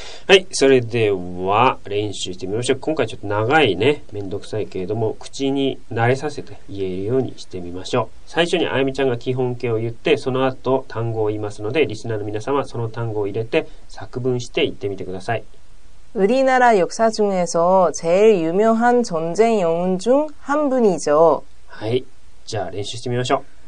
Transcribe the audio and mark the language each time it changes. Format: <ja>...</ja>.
<ja>はい、それでは練習してみましょう。今回ちょっと長いね、めんどくさいけれども、口に慣れさせて言えるようにしてみましょう。最初にあやみちゃんが基本形を言って、その後単語を言いますので、リスナーの皆様その単語を入れて作文して言ってみてください。</ja> <ko>우리나라역사중에서제일유명한전쟁영웅중한분이죠</ko> <ja>はい、じゃあ練習してみましょう。</ja>